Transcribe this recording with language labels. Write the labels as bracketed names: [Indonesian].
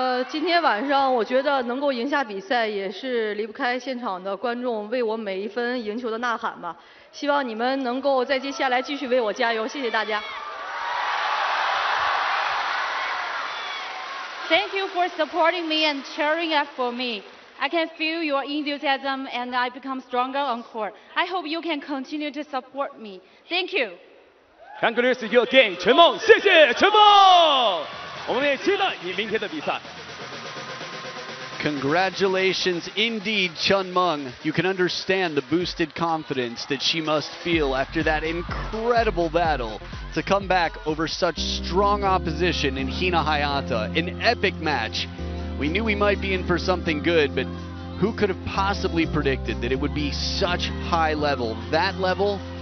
[Chinese] 今天晚上我觉得能够赢下比赛，也是离不开现场的观众为我每一分赢球的呐喊吧。希望你们能够在接下来继续为我加油，谢谢大家。 [English] Thank you for supporting me and cheering up for me. I can feel your enthusiasm and I become stronger on court. I hope you can continue to support me. Thank you. Congrats to you again, 陈梦， [Chinese] 谢谢 [English] 陈梦。 [Chinese] 我们也期待你明天的比赛。 [English] Congratulations indeed, Chun Meng. You can understand the boosted confidence that she must feel after that incredible battle to come back over such strong opposition in Hina Hayata, an epic match. We knew we might be in for something good, but who could have possibly predicted that it would be such high level, that level?